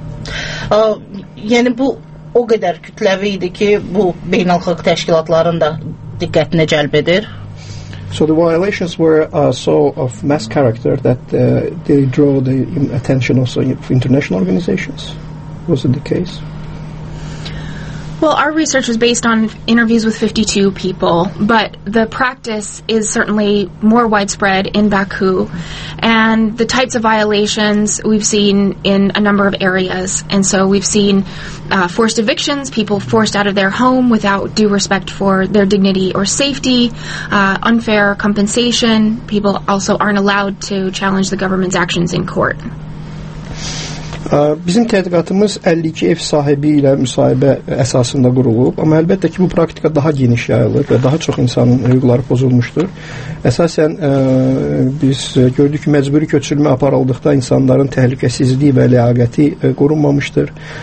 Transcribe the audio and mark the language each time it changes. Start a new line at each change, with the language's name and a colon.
Azerbaijani: Yəni bu o qədər kütləvi idi ki, bu beynəlxalq təşkilatların da diqqətini cəlb edir.
English: So the violations were so of mass character that they draw the attention also of international organizations. Was it the case? Well, our research was based on interviews with 52 people, but the practice is certainly more widespread in Baku, and the types of violations we've seen in a number of areas. And so we've seen forced evictions, people forced out of their home without due respect for their dignity or safety, unfair compensation. People also aren't allowed to challenge the government's actions in court.
Azerbaijani: Bizim tədqiqatımız 52 ev sahibi ilə müsahibə əsasında qurulub, amma əlbəttə ki, bu praktika daha geniş yayılır və daha çox insanın hüquqları pozulmuşdur. Əsasən, biz gördük ki, məcburi köçürülmə aparıldıqda insanların təhlükəsizliyi və ləyaqəti qorunmamışdır.